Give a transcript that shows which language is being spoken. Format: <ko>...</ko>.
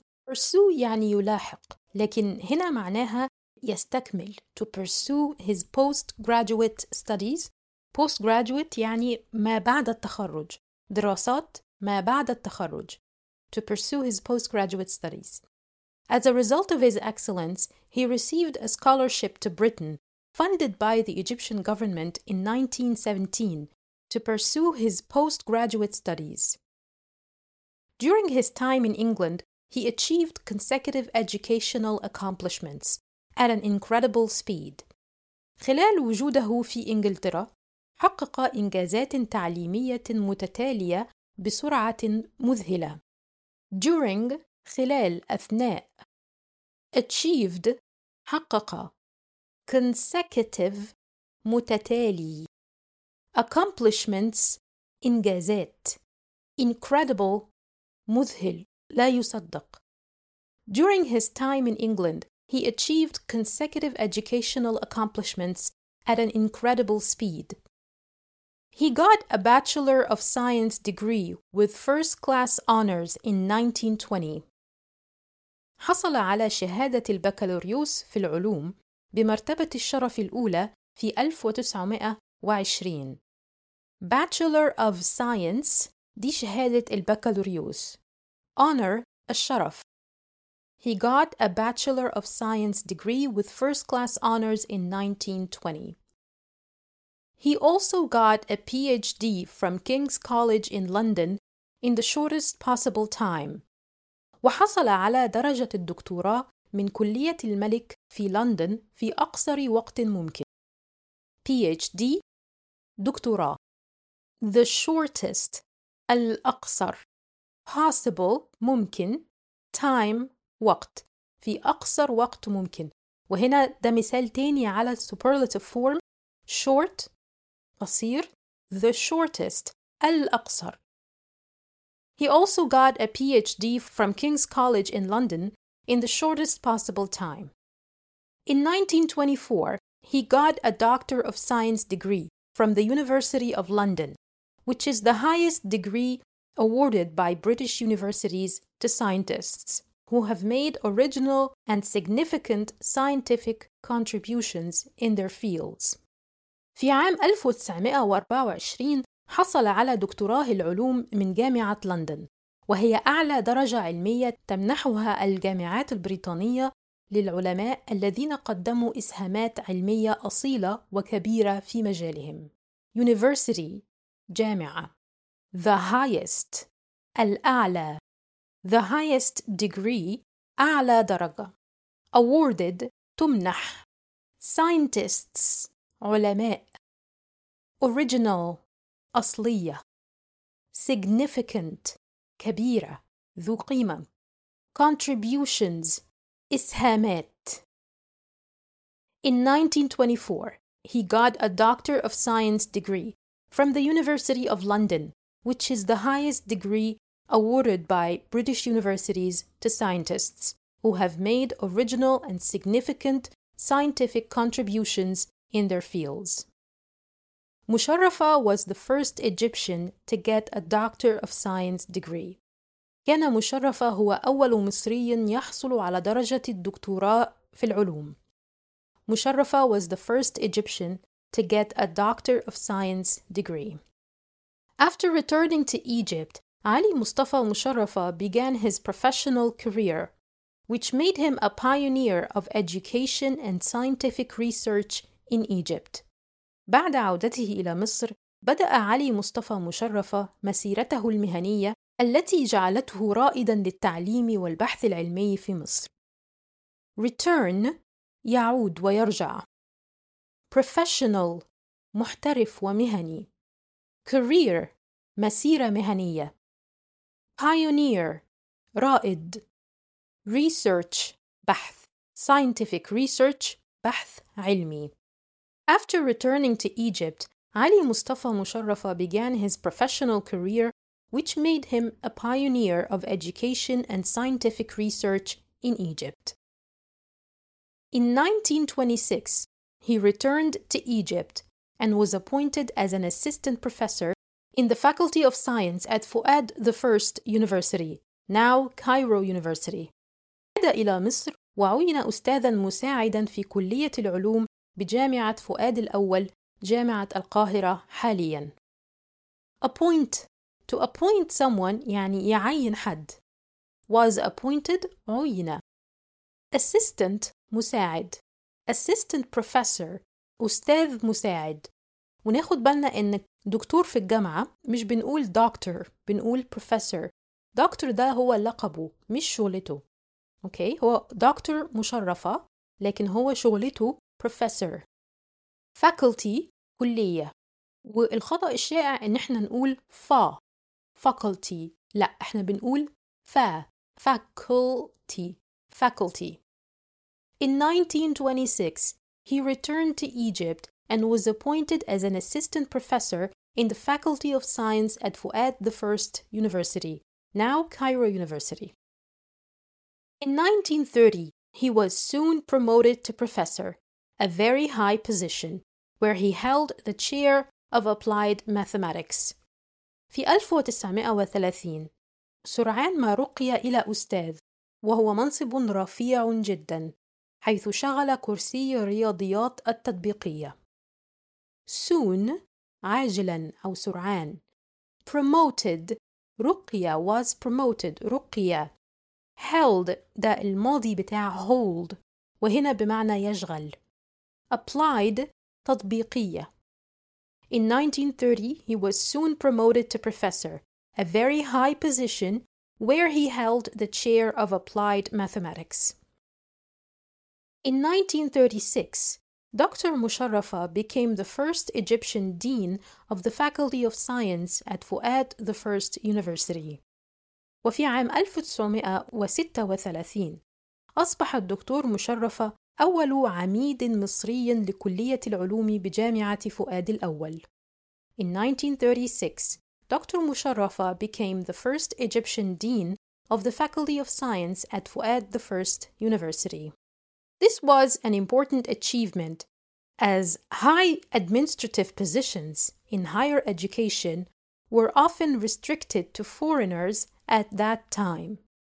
<ar>Pursue يعني يلاحق، لكن هنا معناها يستكمل.</ar> <en>To pursue his postgraduate studies.</en> <ar>Postgraduate يعني ما بعد التخرج، دراسات ما بعد التخرج.</ar> <en>To pursue his postgraduate studies. As a result of his excellence, he received a scholarship to Britain, funded by the Egyptian government in 1917, to pursue his postgraduate studies. During his time in England, he achieved consecutive educational accomplishments at an incredible speed.</en> <ar>خلال وجوده في إنجلترا، حقق إنجازات تعليمية متتالية بسرعة مذهلة.</ar> <en>During</en> <ar>خلال أثناء.</ar> <en>Achieved</en> <ar>حقق.</ar> <en>Consecutive</en> <ar>متتالي.</ar> <en>Accomplishments</en> <ar>إنجازات.</ar> <en>Incredible</en> <ar>مذهل لا يصدق.</ar> <en>During his time in England, he achieved consecutive educational accomplishments at an incredible speed. He got a Bachelor of Science degree with first-class honors in 1920.</en> <ar>حصل على شهادة البكالوريوس في العلوم بمرتبة الشرف الأولى في 1920. Bachelor of Science دي شهادة البكالوريوس.</ar> <en>Honor</en> <ar>الشرف.</ar> <en>He got a Bachelor of Science degree with first-class honors in 1920. He also got a PhD from King's College in London in the shortest possible time.</en> <ar>وحصل على درجة الدكتوراه من كلية الملك في لندن في أقصر وقت ممكن.</ar> <en>PhD دكتوراه. The shortest الأقصر.</en> <ar>Possible ممكن. Time وقت. في أقصر وقت ممكن. وهنا ده مثال تاني على superlative form. Short قصير.</ar> <en>The shortest الأقصر. He also got a PhD from King's College in London in the shortest possible time. In 1924, he got a Doctor of Science degree from the University of London, which is the highest degree awarded by British universities to scientists who have made original and significant scientific contributions in their fields.</en> <ar>في عام 1924 حصل على دكتوراه العلوم من جامعة لندن، وهي أعلى درجة علمية تمنحها الجامعات البريطانية للعلماء الذين قدموا إسهامات علمية أصيلة وكبيرة في مجالهم.</ar> <en>University جامعة. The highest الأعلى. The highest degree</en> <ar>أعلى درجة.</ar> <en>Awarded تمنح.</en> <ar>Scientists علماء. Original أصلية. Significant كبيرة ذو قيمة. Contributions إسهامات.</ar> <en>In 1924, he got a Doctor of Science degree from the University of London, which is the highest degree awarded by British universities to scientists who have made original and significant scientific contributions in their fields. Musharrafa was the first Egyptian to get a Doctor of Science degree.</en> <ar>كان مشرفة هو أول مصري يحصل على درجة الدكتوراه في العلوم.</ar> <en>Musharrafa was the first Egyptian to get a Doctor of Science degree. After returning to Egypt, Ali Mustafa Musharrafa began his professional career, which made him a pioneer of education and scientific research in Egypt.</en> <ar>بعد عودته إلى مصر، بدأ علي مصطفى مشرفة مسيرته المهنية التي جعلته رائداً للتعليم والبحث العلمي في مصر. Return يعود ويرجع. Professional محترف ومهني. Career مسيرة مهنية. Pioneer رائد. Research بحث.</ar> <en>Scientific research</en> <ar>بحث علمي.</ar> <en>After returning to Egypt, Ali Mustafa Musharrafa began his professional career, which made him a pioneer of education and scientific research in Egypt. In 1926, he returned to Egypt and was appointed as an assistant professor in the Faculty of Science at Fuad I University, now Cairo University.</en> <ar>عاد إلى مصر وعين أستاذاً مساعداً في كلية العلوم بجامعة فؤاد الأول جامعة القاهرة حاليا.</ar> <en>Appoint to appoint someone</en> <ar>يعني يعين حد.</ar> <en>Was appointed عين.</en> <ar>Assistant مساعد.</ar> <en>Assistant professor</en> <ar>أستاذ مساعد. وناخد بالنا أن دكتور في الجامعة مش بنقول doctor بنقول professor. Doctor ده هو لقبه مش شغلته.</ar> <en>Okay</en> <ar>هو doctor مشرفة لكن هو شغلته professor. Faculty كلية. والخطأ الشائع ان احنا نقول faculty. لا احنا بنقول faculty.</ar> <en>Faculty. In 1926 he returned to Egypt and was appointed as an assistant professor in the Faculty of Science at Fuad I University, now Cairo University. In 1930 He was soon promoted to professor, a very high position, where he held the chair of applied mathematics.</en> <ar>في 1930 سرعان ما رقي إلى أستاذ وهو منصب رفيع جدا حيث شغل كرسي الرياضيات التطبيقية. Soon عاجلا أو سرعان promoted رقية</ar> <en>was promoted</en> <ar>رقية held ده الماضي بتاع hold وهنا بمعنى يشغل applied تطبيقية.</ar> <en>In 1930 he was soon promoted to professor a very high position where he held the chair of applied mathematics. In 1936 Dr. Musharrafa became the first Egyptian dean of the Faculty of Science at Fuad I University.</en> <ar>وفي عام 1936 أصبح الدكتور مشرفة أول عميد مصري لكلية العلوم بجامعة فؤاد الأول.</ar> <en>In 1936, Dr. Musharrafa became the first Egyptian dean of the Faculty of Science at Fuad I University. This was an important achievement, as high administrative positions in higher education were often restricted to foreigners at that time.</en>